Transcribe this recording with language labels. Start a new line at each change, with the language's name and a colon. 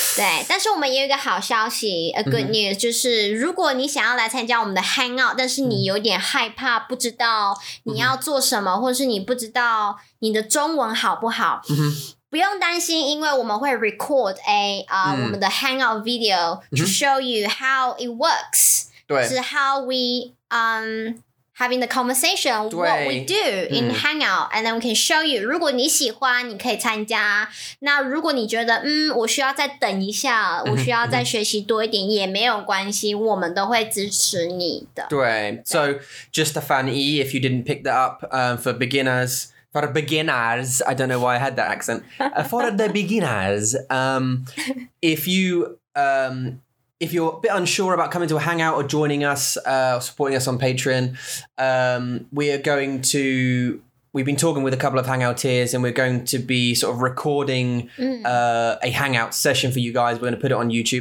Chinese: 对。但是我们有一个好消息,
English: a good news,
Chinese: mm-hmm. 就是如果你想要来参加我们的
English: hangout,
Chinese: 但是你有点害怕, 不知道你要做什么, 或是你不知道你的中文好不好。 Mm-hmm. 不用担心，因为我们会
English: record
Chinese: 我们的
English: hangout video to show you how it works.
Chinese: 对，是
English: how we having the conversation, what we do in hangout, and then we can show you.
Chinese: 如果你喜欢，你可以参加。那如果你觉得我需要再等一下，我需要再学习多一点，也没有关系，我们都会支持你的。对
English: ，So just a fan E, if you didn't pick that up, for beginners. For beginners, I don't know why I had that accent. For the beginners, if you're a bit unsure about coming to a hangout or joining us, or supporting us on Patreon, we've been talking with a couple of hangouteers and we're going to be sort of recording a hangout session for you guys. We're going to put it on YouTube.